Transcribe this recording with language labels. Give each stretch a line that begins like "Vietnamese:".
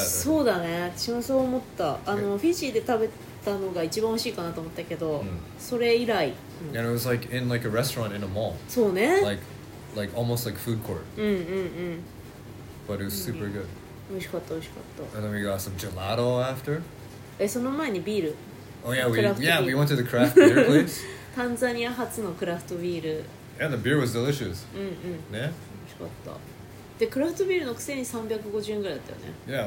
Japanese: そうだね、私もそう思ったあの、フィジーで食べたのが一番美味しいかなと思ったけど、 mm-hmm. それ以来、
English: mm-hmm. And it was like in like a restaurant in a mall
Japanese: そうね
English: like almost like food court
Japanese: うんうんうん
English: But it was super good
Japanese: 美味しかった美味しかった
English: And then we got some gelato after
Japanese: え、その前にビール。
English: Oh yeah, we went to the craft beer place.
Japanese: タンザニア初のクラフトビール。
English: Yeah, the beer was delicious.
Japanese: うんうん。ね。美味しかった。で、クラフトビールのくせに350円ぐらいだったよね。